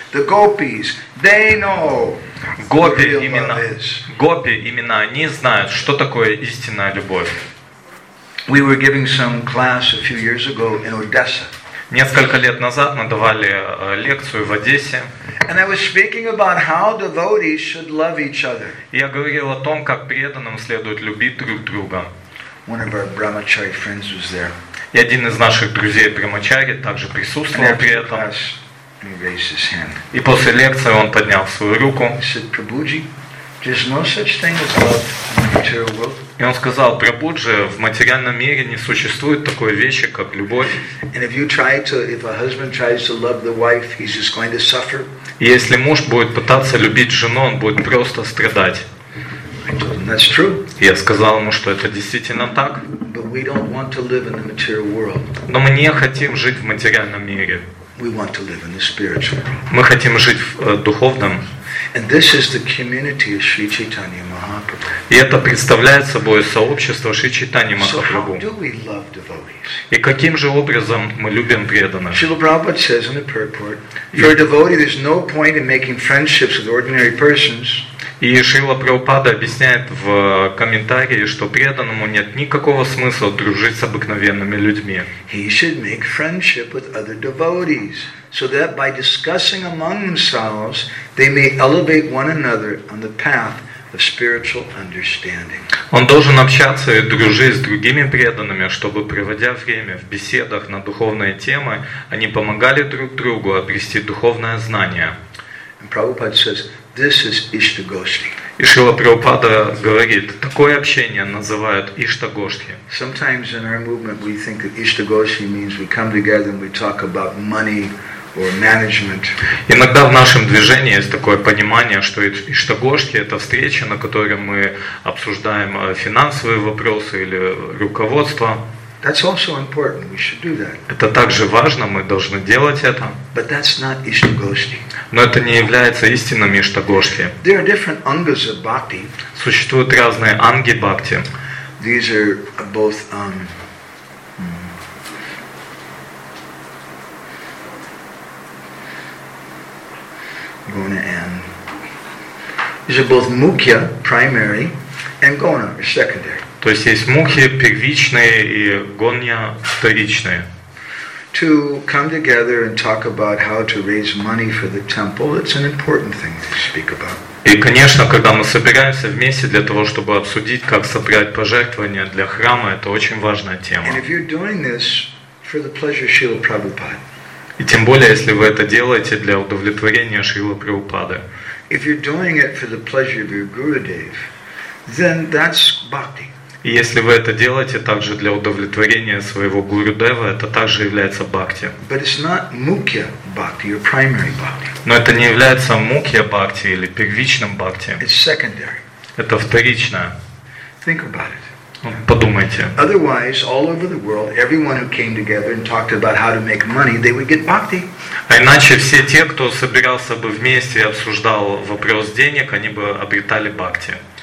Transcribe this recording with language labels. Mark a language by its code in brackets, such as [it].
[en] The gopis, they know. [ru] Гопи именно они знают, что такое истинная любовь. [en] We were giving some class a few years ago in Odessa. [ru] Несколько лет назад мы давали лекцию в Одессе. [en] And I was speaking about how devotees should love each other. [ru] Я говорил о том, как преданным следует любить друг друга. [en] One of our brahmachari friends was there. [ru] И один из наших друзей брахмачари также присутствовал при этом. [en] Class, he raised his hand. [ru] И после лекции он поднял свою руку. [en] He said, Prabhuji, there's no such thing as love in the material world. [ru] И он сказал, Прабуджи, в материальном мире не существует такой вещи, как любовь. И если муж будет пытаться любить жену, он будет просто страдать. Я сказал ему, что это действительно так. Но мы не хотим жить в материальном мире. [en] We want to live in the spiritual world. [ru] Мы хотим жить в духовном. [en] And this is the community of Sri Chaitanya Mahaprabhu. [ru] И это представляет собой сообщество Шри Чайтаньи Махапрабху. [en] So how do we love devotees? [ru] И каким же образом мы любим преданных? [en] Srila Prabhupada says in the purport, for a devotee, there's no point in making friendships with ordinary persons. [ru] И Шрила Прабхупада объясняет в комментарии, что преданному нет никакого смысла дружить с обыкновенными людьми. [en] He should make friendship with other devotees, so that by discussing among themselves, they may elevate one another on the path of spiritual understanding. [ru] Он должен общаться и дружить с другими преданными, чтобы, проводя время в беседах на духовные темы, они помогали друг другу обрести духовное знание. [en] And Prabhupada says, this is Ishta Goshti. [ru] И Шрила Прабхупада говорит, такое общение называют Ishta Goshti. [en] Sometimes in our movement we think that Ishta Goshti means we come together and we talk about money or management. [ru] Иногда в нашем движении есть такое понимание, что Ishta Goshti — это встреча, на которой мы обсуждаем финансовые вопросы или руководство. [en] That's also important. We should do that. [ru] Это также важно, мы должны делать это. [en] But that's not Ishta Goshti. [ru] Но это не является истинным Ishta Goshti. [en] There are different angas of bhakti. [ru] Существуют разные анги бхакти. [en] These are both Gona and these are both mukhya, primary, and Gona, secondary. [ru] То есть есть мукхи первичные и гонья вторичные. [en] To come together and talk about how to raise money for the temple, it's an important thing to speak about. [ru] И, конечно, когда мы собираемся вместе для того, чтобы обсудить, как собрать пожертвования для храма, это очень важная тема. [en] And if you're doing this for the pleasure of Srila Prabhupada. [ru] И тем более, если вы это делаете для удовлетворения Шрилы Прабхупады. [en] If you're doing it for the pleasure of your Gurudev, then that's bhakti. [ru] И если вы это делаете также для удовлетворения своего гурудева, это также является бхакти. [en] But it's not mukhya bhakti, your primary bhakti. [ru] Но это не является мукхья бхакти или первичным бхакти. [en] It's secondary. [ru] Это вторичное. [en] Think about it. [ru] Подумайте. [en] Otherwise, all over the world, everyone who came together and talked about how to make money, they would get bhakti. [ru] А иначе все те, кто собирался бы вместе и обсуждал вопрос денег, они бы обретали бхакти.